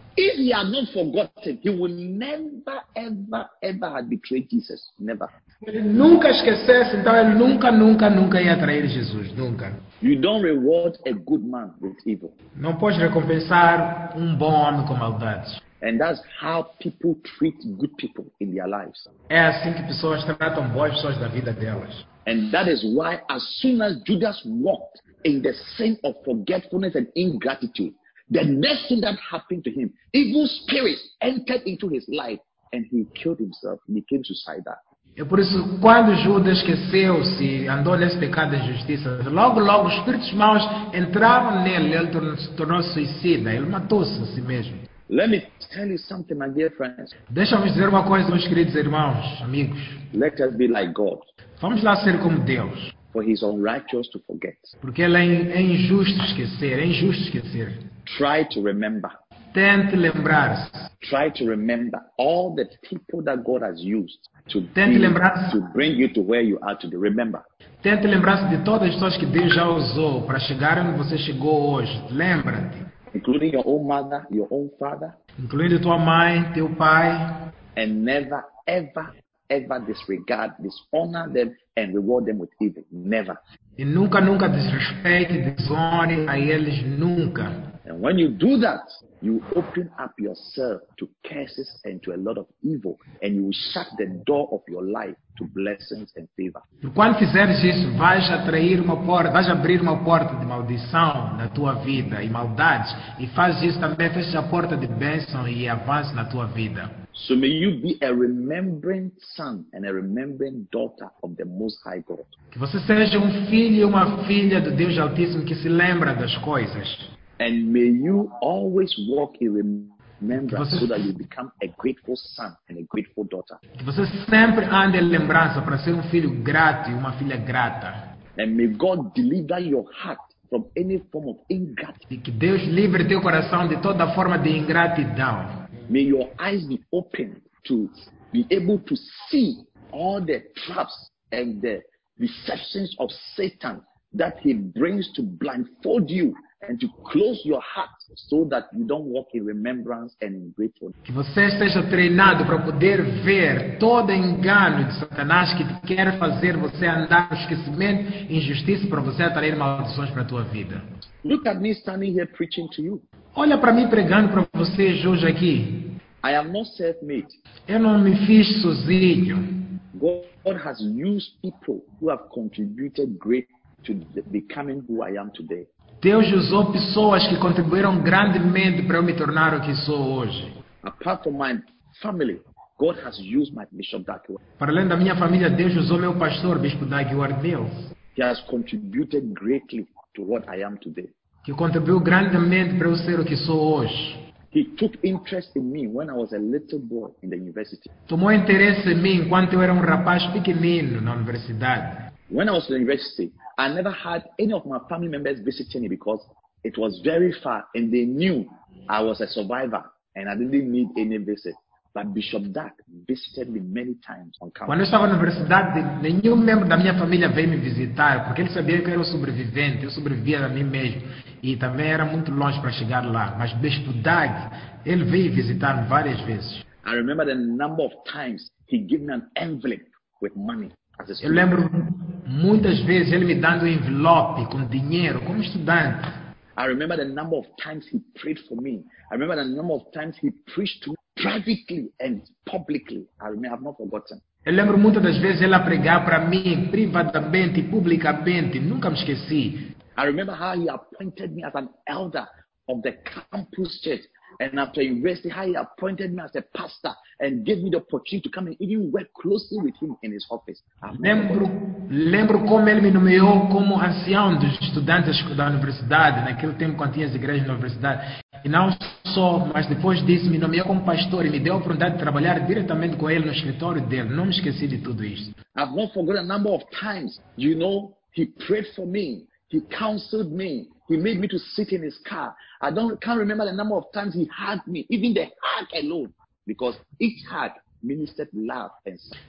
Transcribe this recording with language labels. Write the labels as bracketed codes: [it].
[en] If he had not forgotten, he would never, ever, ever have betrayed Jesus. Never. [pt] Ele nunca esquecesse, então ele nunca ia trair Jesus. Nunca. [en] You don't reward a good man with evil. [pt] Não pode recompensar bom homem com maldade. [en] And that's how people treat good people in their lives. [pt] É assim que pessoas tratam boas pessoas da vida delas. [en] And that is why as soon as Judas walked in the sin of forgetfulness and ingratitude, the next thing that happened to him, evil spirits entered into his life and he killed himself and became suicidal. [pt] E por isso, quando Judas esqueceu-se, andou nesse pecado de justiça, logo espíritos maus entraram nele, ele tornou-se suicida, ele matou-se a si mesmo. [en] Let me tell you something, my dear friends. [pt] Deixa-me dizer uma coisa, meus queridos irmãos, amigos. [en] Let us be like God. [pt] Vamos lá ser como Deus. [en] For he is unrighteous to forget. [pt] Porque ele é injusto esquecer, [en] Try to remember. [pt] Tente lembrar-se. [en] Try to remember all the people that God has used to bring you to where you are today. Remember. [pt] Tente lembrar-se de todas as pessoas que Deus já usou para chegar onde você chegou hoje. Lembra-te. [en] Including your own mother, your own father. [pt] Incluindo tua mãe, teu pai. [en] And never, ever, ever disregard, dishonor them, and reward them with evil. Never. [pt] E nunca, nunca desrespeite, desonre a eles, nunca. [en] And when you do that, you open up yourself to curses and to a lot of evil, and you will shut the door of your life to blessings and favor. [pt] Quando fizeres isso, vais atrair uma porta, vais abrir uma porta de maldição na tua vida e maldades, e fazes isso também, fecha a porta de bênção e avanço na tua vida. [en] So may you be a remembering son and a remembering daughter of the Most High God. [pt] Que você seja filho e uma filha do Deus Altíssimo que se lembra das coisas. [en] And may you always walk in remembrance [pt] você, [en] so that you become a grateful son and a grateful daughter. [pt] Que você sempre ande em lembrança para ser filho grato e uma filha grata. [en] And may God deliver your heart from any form of ingratitude. [pt] E que Deus livre teu coração de toda forma de ingratidão. [en] May your eyes be open to be able to see all the traps and the deceptions of Satan that he brings to blindfold you and to close your heart so that you don't walk in remembrance and in gratefulness. [pt] Que você esteja treinado para poder ver todo engano de Satanás que quer fazer você andar no esquecimento, injustiça para você atrair maldições para a tua vida. [en] Look at me standing here preaching to you. [pt] Olha para mim pregando para vocês hoje aqui. [en] I am not self-made. [pt] Eu não me fiz sozinho. [en] God has used people who have contributed great to becoming who I am today. [pt] Deus usou pessoas que contribuíram grandemente para eu me tornar o que sou hoje. [en] Apart from my family, God has used my Bishop Dagwood. [pt] Para além da minha família, Deus usou meu pastor, Bispo Dagwood. [en] He has contributed greatly to what I am today. [pt] Que contribuiu grandemente para eu ser o que sou hoje. [en] He took interest in me when I was a little boy in the university. [pt] Tomou interesse em mim enquanto eu era rapaz pequenino na universidade. [en] When I was in the university, I never had any of my family members visiting me because it was very far and they knew I was a survivor and I didn't need any visit. But Bishop Dak visited me many times on campus. [pt] Quando eu estava na universidade, nenhum membro da minha família veio me visitar porque ele sabia que eu era um sobrevivente, eu sobrevivia a mim mesmo. E também era muito longe para chegar lá. Mas Bishop Dak, ele veio visitar várias vezes. [en] I remember the number of times he gave me an envelope with money. [pt] Eu lembro muitas vezes ele me dando um envelope com dinheiro como estudante. [en] I remember the number of times he prayed for me. I remember the number of times he preached to me privately and publicly. I have not forgotten. [pt] Eu lembro muitas das vezes ele a pregar para mim privadamente e publicamente. Nunca me esqueci. [en] I remember how he appointed me as an elder of the campus church. And after university, how he appointed me as a pastor and gave me the opportunity to come and even work closely with him in his office. [pt] Lembro como ele me nomeou como ancião dos estudantes da universidade, naquele tempo quando tinha as igrejas na universidade. E não só, mas depois disso, me nomeou como pastor e me deu a oportunidade de trabalhar diretamente com ele no escritório dele. Não me esqueci de tudo isso. [en] I've not forgotten a number of times, you know, he prayed for me, he counseled me, he made me to sit in his car. I can't remember the number of times he hugged me, even the hug alone, because each hug ministered love and sorrow.